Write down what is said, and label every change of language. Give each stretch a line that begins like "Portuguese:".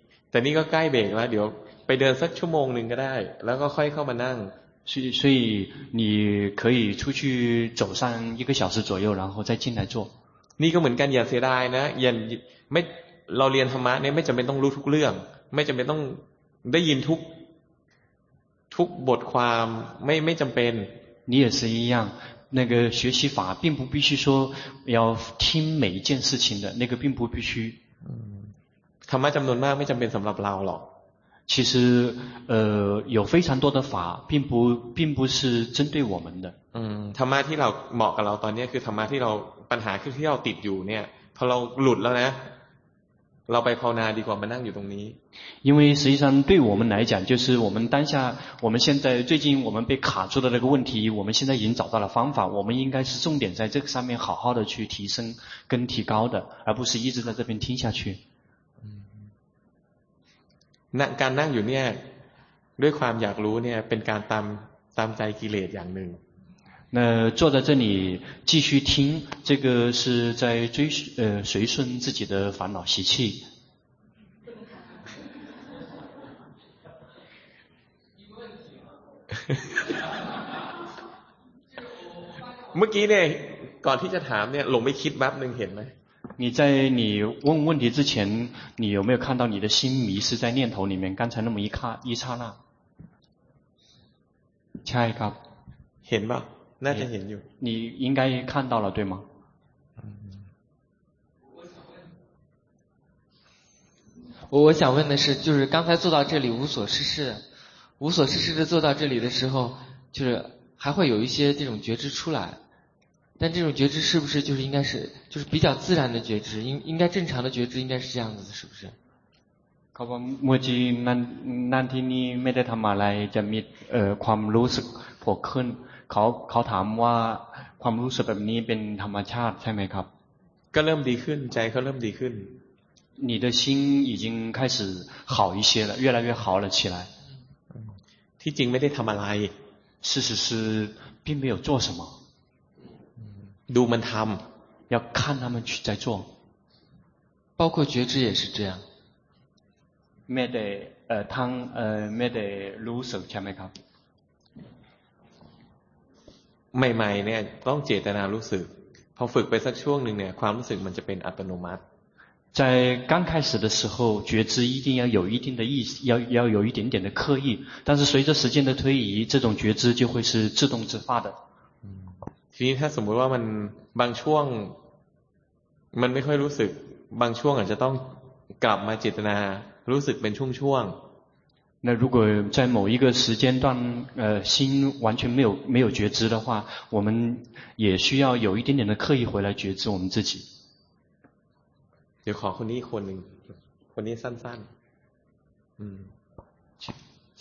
Thai: แต่นี่ก็ใกล้เบรกแล้วเดี๋ยวไปเดินสักชั่วโมงหนึ่งก็ได้แล้วก็ค่อยเข้ามานั่ง
Chinese: 所以你可以出去走上一个小时左右然后再进来坐
Thai: นี่ก็เหมือนกันอย่าเสียดายนะอย่าไม่เราเรียนธรรมะเนี่ยไม่จำเป็นต้องรู้ทุกเรื่องไม่จำเป็นต้องได้ยินทุกบทความไม่จำเป็น
Chinese: 你也是一样那个学习法并不必须说要听每一件事情的那个并不必须
Thai: ธรรมะจำนวนมากไม่จำเป็นสำหรับเราหรอก
Chinese: 其实有非常多的法并不是针对我们的
Thai: ธรรมะที่เราเหมาะกับเราตอนนี้คือธรรมะที่เราปัญหาคือที่เราติดอยู่เนี่ยพอเราหลุดแล้วนะเราไปภาวนาดีกว่ามานั่งอยู่ตรงนี้
Chinese: 因为实际上对我们来讲就是我们当下我们现在最近我们被卡住的那个问题我们现在已经找到了方法我们应该是重点在这个上面好好的去提升跟提高的而不是一直在这边听下去
Thai: การนั่งอยู่เนี่ยด้วยความอยากรู้เนี่ยเป็นการตามใจกิเลสอย่างหนึ่ง
Chinese: 那坐在这里继续听这个是在追随顺自己的烦恼习气
Thai: เมื่อกี้เนี่ยก่อนที่จะถามเนี่ยหลงไปคิดแป๊บนึงเห็นไหม
Chinese: 你在你问问题之前，你有没有看到你的心迷失在念头里面？刚才那么一刹那，
Thai: ใช่ครับ， เห็นป่ะ？ น่าจะเห็นอยู่
Chinese: 。你应该看到了，对吗？我想问的是，就是刚才坐到这里无所事事，无所事事的坐到这里的时候，就是还会有一些这种觉知出来。但这种觉知是不是就是应该是就是比较自然的觉知应该正常的觉知应该是这样子的是不是
Thai: ขาบอกเมื่อกี้นั่นที่นี่ไม่ได้ทำอะไรจะมีความรู้สึกโผล่ขึ้นเขาถามว่าความรู้สึกแบบนี้เป็นธรรมชาติใช่ไหมครับ ก็เริ่มดีขึ้นใจเขาเริ่มดีขึ้น
Chinese: 你的心已经开始好一些了越来越好了起来
Thai: ที่จริงไม่ได้ทำอะไร
Chinese: 事实是并没有做什么
Thai: ดูมันทำ
Chinese: 要看他们去在做包括觉知也是这样
Thai: ไม่ได้ทั้งไม่ได้รู้สึกใช่ไหมครับ ใหม่ๆเนี่ยต้องเจตนารู้สึกพอฝึกไปสักช่วงหนึ่งเนี่ยความรู้สึกมันจะเป็นอัตโนมัติ
Chinese: 在刚开始的时候觉知一定要有一定的意识要有一点点的刻意但是随着时间的推移这种觉知就会是自动自发的
Thai: ทีนี้ถ้าสมมติว่ามันบางช่วงมันไม่ค่อยรู้สึกบางช่วงอาจจะต้องกลับมาเจตนารู้สึกเป็นช่วงช่วง
Chinese: 那如果在某一个时间段心完全没有觉知的话我们也需要有一点点的刻意回来觉知我们自己
Thai: เดี๋ยวขอคนนี้คนหนึ่งคนนี้สั้นๆ